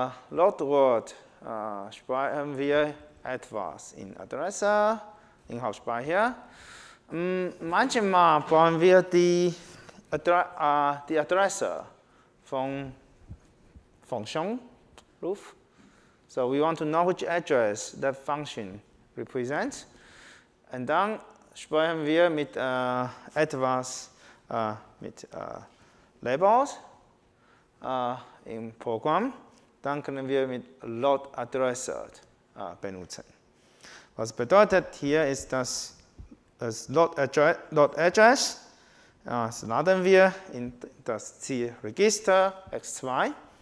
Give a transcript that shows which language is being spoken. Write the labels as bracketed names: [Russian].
[German] Load word speichern wir etwas in Adresse, in Hauptspeicher. Manchmal bauen wir die Adresse von Function, Ruf. [English] So we want to know which address that function represents. [German] Und dann speichern wir mit etwas mit Labels im Programm. Dann können wir mit LoadAddresser benutzen. Was bedeutet hier ist, dass das LoadAddress laden wir in das Zielregister X2.